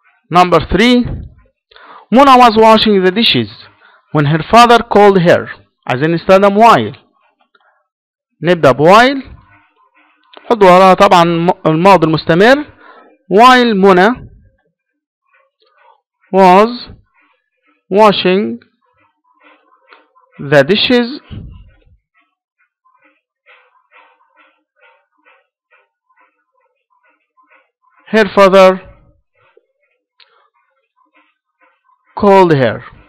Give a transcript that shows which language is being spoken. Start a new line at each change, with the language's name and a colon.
English: Number 3 Mona was washing the dishes when her father called her.
Arabic: عايزين نستخدم while. نبدأ بwhile. حط وراها طبعا الماضي المستمر.
English: While Mona was washing the dishes her father called her.